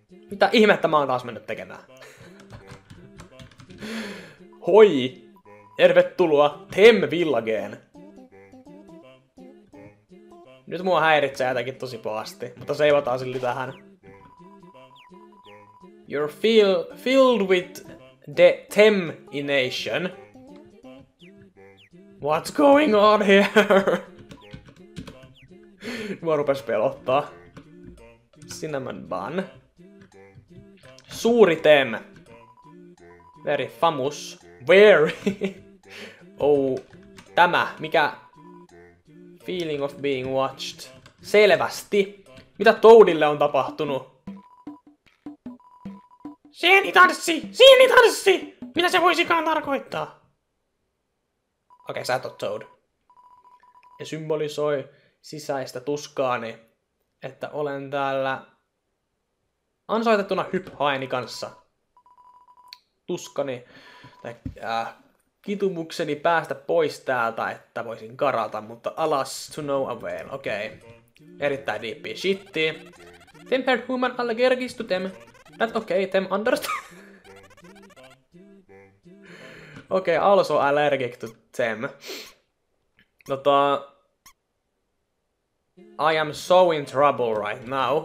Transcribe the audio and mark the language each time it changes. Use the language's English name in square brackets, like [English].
[Finnish] Mitä ihmettä mä oon taas mennyt tekemään? Hoi! Tervetuloa Tem Villageen! Nyt mua häiritsee jotenkin tosi pahasti, mutta seivataan silti tähän. [English] You're filled with the Temination. What's going on here? [Finnish] Mua rupes pelottaa. [English] Cinnamon bun. [Finnish] Suuri Tem. [English] Very famous. Very. [Finnish] Oh, tämä. Mikä? [English] Feeling of being watched. [Finnish] Selvästi. Mitä Toadille on tapahtunut? Sienitanssi! Sienitanssi! Mitä se voisikaan tarkoittaa? Okei, sä et oo Toad. Ja symbolisoi sisäistä tuskaani, että olen täällä ansaitettuna hyphaeni kanssa. Tuskani, tai kitumukseni päästä pois täältä, että voisin karata, mutta alas [English] to no avail. [Finnish] Okei. Erittäin deepi shitti. [English] Tempered human allergies to them. That okay, them understand. Okei, also allergic to them. I am so in trouble right now.